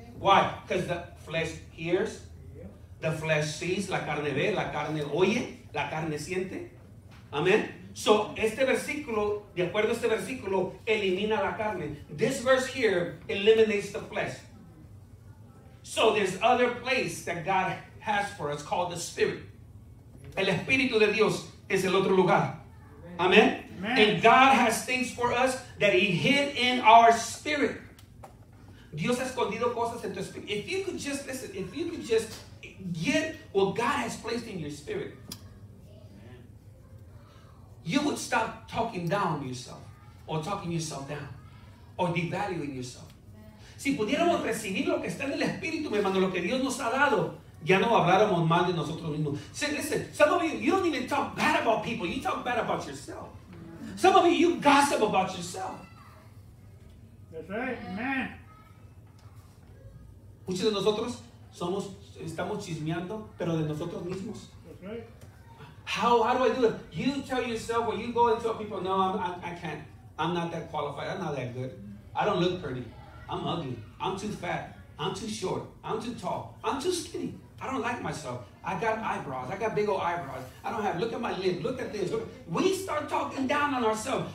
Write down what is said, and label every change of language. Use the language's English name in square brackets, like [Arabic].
[English] Why? Because the flesh hears, the flesh sees, [Spanish] la carne ve, la carne oye, la carne siente. Amen. So, este versículo, de acuerdo a este versículo, elimina la carne. [English] This verse here eliminates the flesh. So, there's other place that God has for us called the Spirit. [Spanish] El Espíritu de Dios es el otro lugar. [English] Amen? Amen. And God has things for us that he hid in our spirit. [Spanish] Dios ha escondido cosas en tu espíritu. [English] If you could just, listen, if you could just get what God has placed in your spirit, you would stop talking down yourself, or talking yourself down, or devaluing yourself. [Spanish] Si pudiéramos recibir lo que está en el Espíritu, mi hermano, lo que Dios nos ha dado, ya no habláramos mal de nosotros mismos. [English] See, listen, some of you don't even talk bad about people, you talk bad about yourself. Some of you gossip about yourself. That's right, man. [Spanish] Muchos de nosotros estamos chismeando, pero de nosotros mismos. [English] That's right. How do I do it? You tell yourself when you go and tell people, no, I can't. I'm not that qualified. I'm not that good. I don't look pretty. I'm ugly. I'm too fat. I'm too short. I'm too tall. I'm too skinny. I don't like myself. I got eyebrows. I got big old eyebrows. I don't have, look at my lip. Look at this. We start talking down on ourselves.